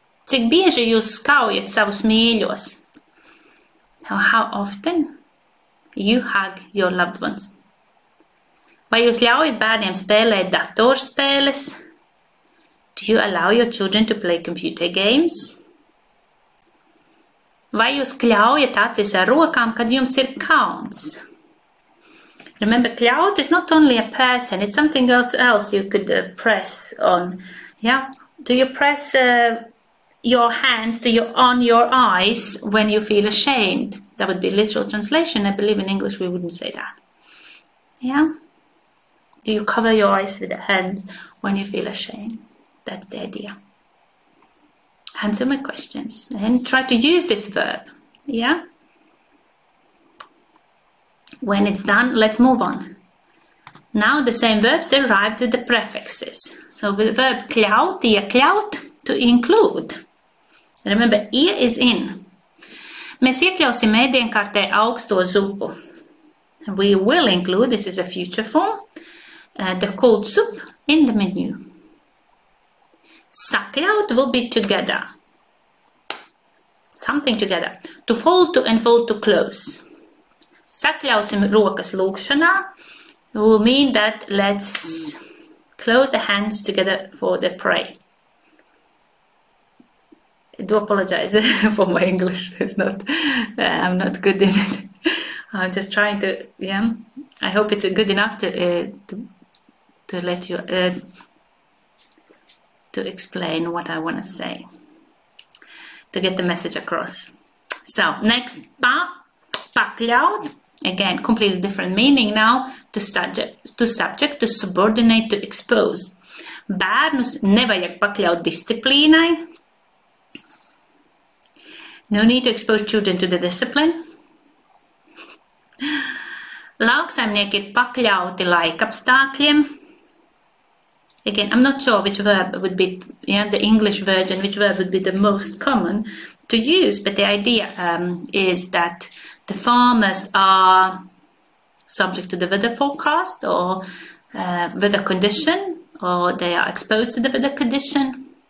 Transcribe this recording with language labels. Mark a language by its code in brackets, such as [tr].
[lv] Cik bieži jūs skaujat savus mīļos? [en] How often you hug your loved ones? [lv] Vai jūs ļaujat bērniem spēlēt datorspēles? [en] Do you allow your children to play computer games? [lv] Vai jūs kļaujat acis ar rokām, kad jums ir kauns? [en] Remember, kļaut is not only a person, it's something else you could press on. Yeah? Do you press your hands on your eyes when you feel ashamed? That would be literal translation. I believe in English we wouldn't say that. Yeah? Do you cover your eyes with a hand when you feel ashamed? That's the idea. Answer my questions and try to use this verb. Yeah? When it's done, let's move on. Now the same verbs arrive to the prefixes. So the verb kļaut, ie kļaut, to include. Remember, ie is in. [lv] Mēs iekļausim ēdienkartē augsto zupu. [en] We will include, this is a future form, the cold soup in the menu. Sakļaut will be together. Something together. To fold to and fold to close. [lv] Sakļausim rokas lūkšanā [en] will mean that let's close the hands together for the pray. I do apologize for my English. It's not, I'm not good in it. I'm just trying to, yeah. I hope it's good enough to let you, to explain what I want to say. To get the message across. So, next, pa, pakļaut. Again, completely different meaning now. To subject, to subordinate, to expose. [lv] Bērnus nevajag pakļaut disciplīnai. [en] No need to expose children to the discipline. [lv] Lauksaimnieki ir pakļauti laikapstākļiem. [en] Again, I'm not sure which verb would be, yeah, the English version, which verb would be the most common to use, but the idea is that the farmers are subject to the weather forecast or weather condition, or they are exposed to the weather condition.